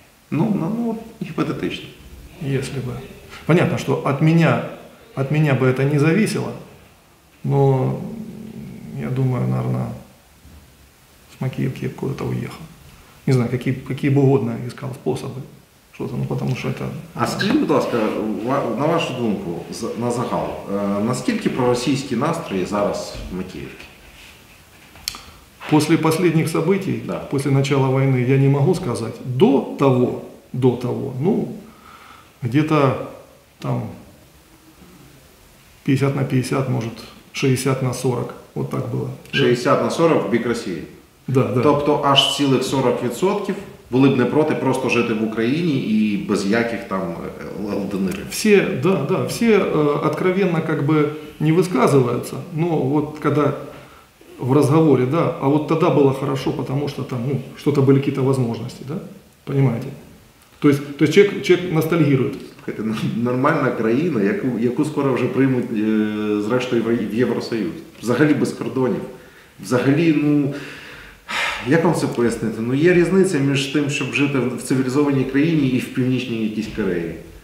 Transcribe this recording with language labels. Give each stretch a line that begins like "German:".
Ukrainian: Ну, гіпотетично. Якщо б. Понятно, що від мене би це не залежало, але я думаю, наверное, з Макіївки я б куди-то уїхав. Не знаю, які б угодно искав способи.
Russian: Что-то, ну, потому что это... А скажите, пожалуйста,
Ukrainian: на вашу думку, на загал,
Russian: насколько пророссийские настрои сейчас в Макеевке? После последних событий, да. После начала войны, я не могу сказать. До того, ну, где-то там 50 на 50, может, 60 на 40, вот так было. 60 на 40 в бік России? Да, да.
Ukrainian: Тобто аж цілих 40%?
Russian: Были бы не против просто жить в Украине и без каких там ЛДНР. Все, да, все откровенно как бы не высказываются, но вот когда в разговоре, да, а вот тогда было хорошо, потому что там, ну, что-то были какие-то возможности, да, понимаете? То есть человек ностальгирует.
Ukrainian: Слушайте, нормальна країна, яку скоро уже приймут, зрештою, в Євросоюз. Взагалі без кордонів. Взагалі, ну... Як вам це пояснити? Ну, є різниця між тим, щоб жити в цивілізованій країні і в північній якійсь Кореї.